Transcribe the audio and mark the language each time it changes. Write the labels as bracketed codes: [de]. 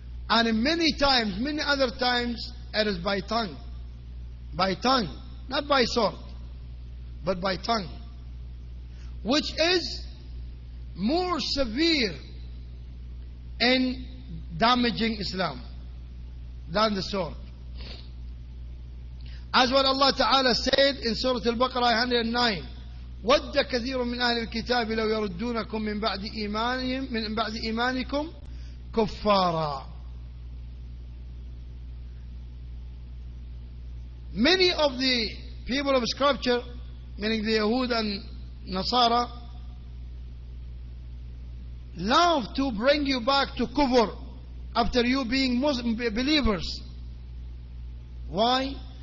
[en] And many times, many other times, it is by tongue. By tongue, not by sword, but by tongue. Which is more severe in damaging Islam than the sword. As what Allah Ta'ala said in Surah Al-Baqarah 109, [ar] وَدَّ كَثِيرٌ مِّنْ أَهْلِ الْكِتَابِ لَوْ يَرُدُّونَكُمْ مِنْ بَعْدِ إِيمَانِكُمْ كُفَّارًا. [en] Many of the people of Scripture, meaning the Yahud and Nasara, love to bring you back to kufr after you being Muslim believers. Why?